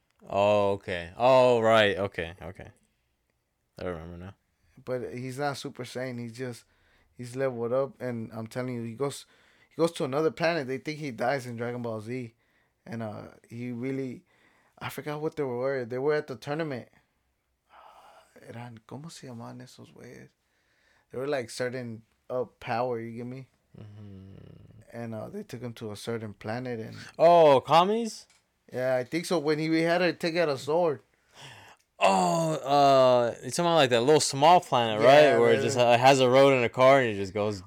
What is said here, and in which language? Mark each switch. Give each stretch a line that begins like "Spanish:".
English: Oh, okay. Oh, right. Okay. I remember now. But he's not Super Saiyan. He's leveled up, and I'm telling you, he goes to another planet. They think he dies in Dragon Ball Z, and he really, I forgot what they were. They were at the tournament.
Spanish: Eran, ¿cómo se llaman esos weyes?
English: They were like certain up power, you get me? Mm-hmm. And they took him to a certain planet. And oh, Kamis? Yeah, I think so. When he had to take out a sword. Oh, it's something like that little small planet, yeah, right? Where it just has a road and a car and it just goes.